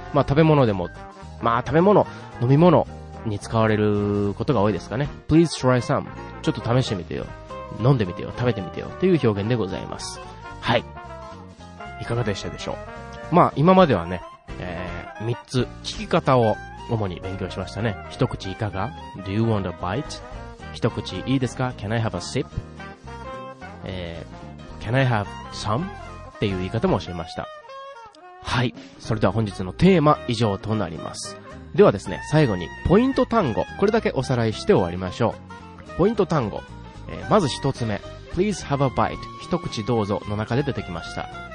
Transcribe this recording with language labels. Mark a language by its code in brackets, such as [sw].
[ja] まあ食べ物でも、まあ食べ物飲み物に使われることが多いですかね。 [en] Please try some、 [ja] ちょっと試してみてよ、飲んでみてよ、食べてみてよっていう表現でございます。はい、いかがでしたでしょう。まあ今まではね、3つ聞き方を主に勉強しましたね。一口いかが、 [en] Do you want a bite? [ja] 一口いいですか、 [en] Can I have a sip? Can I have some? [ja] っていう言い方も教えました。はい、それでは本日のテーマ以上となります。ではですね、最後にポイント単語、これだけおさらいして終わりましょう。ポイント単語、まず一つ目、 [en] Please have a bite、 [ja] 一口どうぞの中で出てきました。